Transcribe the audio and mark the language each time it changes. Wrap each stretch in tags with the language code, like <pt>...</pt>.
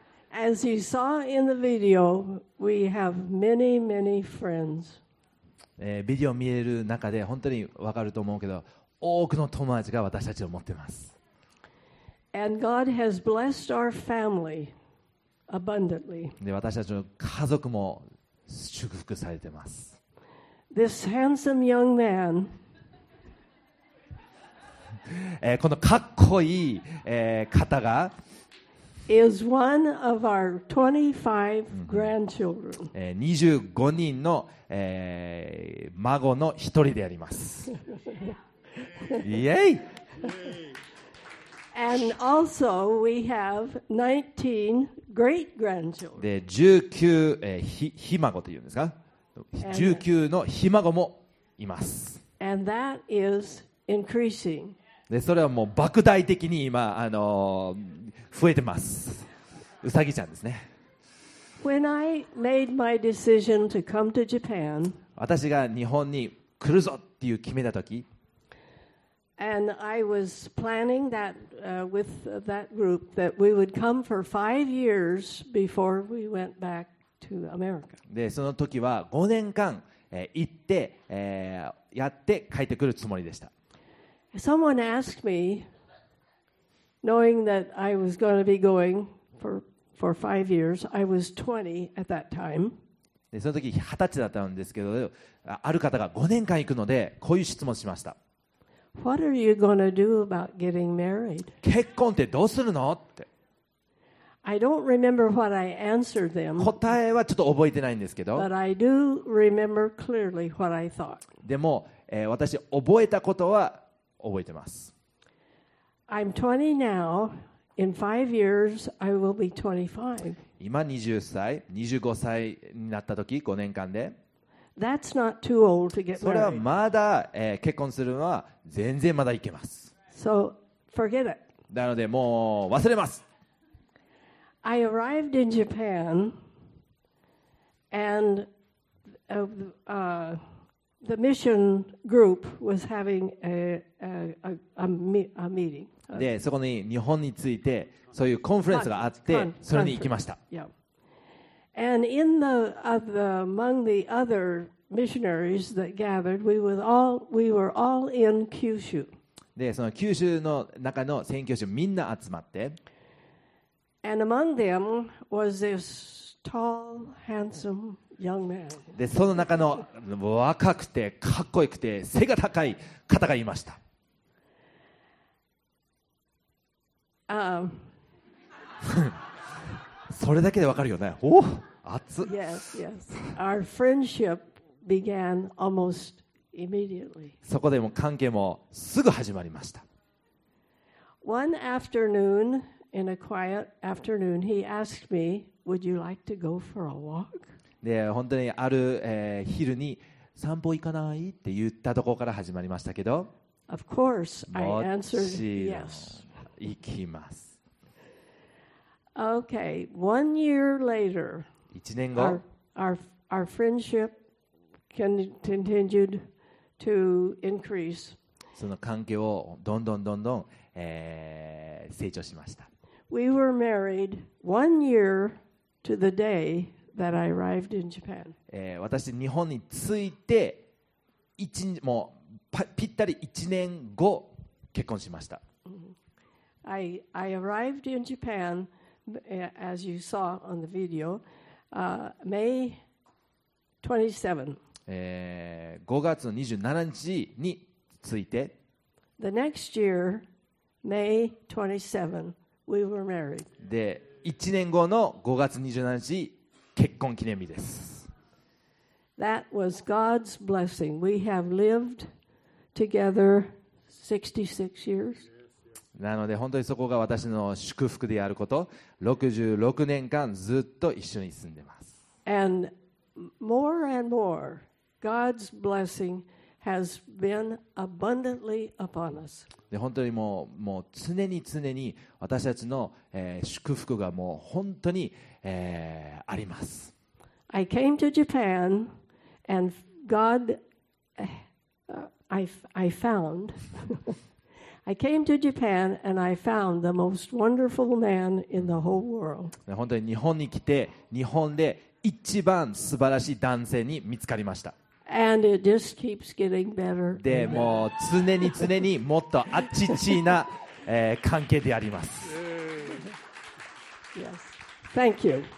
<en>As you saw in the video, we have many, many friends.</en> <ja>ビデオを見える中で本当にわかると思うけど、多くの友達が私たちを持ってます。</ja> <en>And God has blessed our family abundantly.</en> <ja>で、私たちの家族も祝福されてます。</ja> <en>This handsome young man.</en> <ja>このかっこいい、方が。</ja> <en>Is one of our 25 grandchildren.</en> <ja>25人の、孫の一人であります。</ja> <en>Yay! And also we have 19 great grandchildren.</en> <ja>で19、ひ孫というんですか。 19のひ孫もいます。</ja> <en>And that is increasing.</en> <ja>でそれはもう莫大的に今、増えてます。うさぎちゃんですね。</ja> <en>When I made my decision to come to Japan,</en> <ja>私が日本に来るぞっていう決めた時、</ja> <en>and I was planning that, with that group that we would come for 5 years before we went back to America.</en> <ja>でその時は5年間、行って、やって帰ってくるつもりでした。</ja> <en>Someone asked me, knowing that I was going to be going for 5 years, I was 20 at that time.</en> <ja>で、その時20歳だったんですけど、ある方が5年間行くので、こういう質問しました。</ja> <en>What are you going to do about getting married?</en> <ja>結婚ってどうするのって。</ja> <en>I don't remember what I answered them.</en> <ja>答えはちょっと覚えてないんですけど。</ja> <en>But I do remember clearly what I thought.</en> <ja>でも、私覚えたことは覚えてます。</ja> <en>I'm 20 now. In 5 years, I will be 25.</en> <ja>今20歳、25歳になった時、5年間で。</ja> <en>That's not too old to get married.</en> <ja>それはまだ、結婚するのは全然まだいけます。</ja> <en>So forget it.</en> <ja>なのでもう忘れます。</ja> <en>I arrived in Japan, and the mission group was having a meeting.</en> <ja>で、そこに日本についてそういうコンフェレンスがあって、それに行きました。</ja> <en>Yeah. And in the among the other missionaries that gathered, we were all in Kyushu.</en> <ja>で、その九州の中の宣教師みんな集まって。</ja> <en>And among them was this tall, handsome. Young man.</en> <ja>でその中の若くてかっこよくて背が高い方がいました。それだけでわかるよね。おお、熱っ。</ja> <en>Yes, yes. Our friendship began almost immediately.</en> <ja>そこでも関係もすぐ始まりました。</ja> <en>One afternoon, in a quiet afternoon, he asked me, "Would you like to go for a walk?"</en> <ja>で本当にある、昼に散歩行かないって言ったところから始まりましたけど、</ja> <en>of course, I answered yes.</en> <ja>行きます。</ja> <en>Okay, 1 year later,</en> <ja>1年後、</ja> <en>our friendship continued to increase.</en> <ja>その関係をどんどんどんどん、成長しました。</ja> <en>We were married 1 year to the day. That I arrived in Japan.</en> <ja>私日本に着いて1もうぴったり1年後結婚しました。</ja> <en>I arrived in Japan as you saw on the video, May</en> <ja>27. 5月27日に着いて。</ja> <en>The next year, May 27, we were married.</en> <ja>で1年後の5月27日結婚記念日です。</ja> <en>That was God's blessing. We have lived together 66 years.</en> <ja>なので本当にそこが私の祝福であること、66年間ずっと一緒に住んでます。</ja> <en>And more and more, God's blessing has been abundantly upon us.</en> <ja>で本当にもう常に常に私たちの、祝福がもう本当に、あります。</ja> <en>I came to Japan and God, I found. I came to Japan and I found the most wonderful man in the whole world.</en> <ja>本当に日本に来て、日本で一番素晴らしい男性に見つかりました。</ja> <en>And it just keeps getting better.</en> <ja>でも常に常にもっとあっちっちな関係であります。</ja> <en>Yes. Thank you.</en>